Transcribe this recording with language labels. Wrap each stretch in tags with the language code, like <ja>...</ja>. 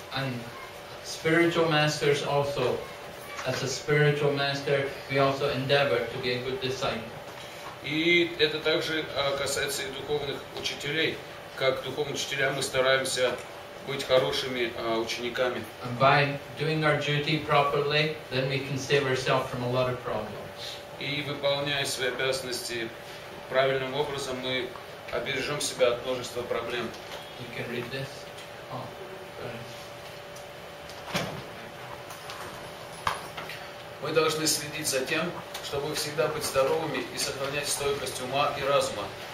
<en>And spiritual masters also, as a spiritual master, we also endeavor to be a good disciple.</en> <ru>И это также касается и духовных учителей. Как духовные учителя мы стараемся быть хорошими учениками.</ru> <en>By doing our duty properly, then we can save ourselves from a lot of problems.</en> <ru>И выполняя свои обязанности правильным образом, мы обережем себя от множества проблем.</ru> <en>You can read this. Oh,</en> <ru>мы должны следить за тем, чтобы всегда быть здоровыми и сохранять стойкость ума и разума.</ru>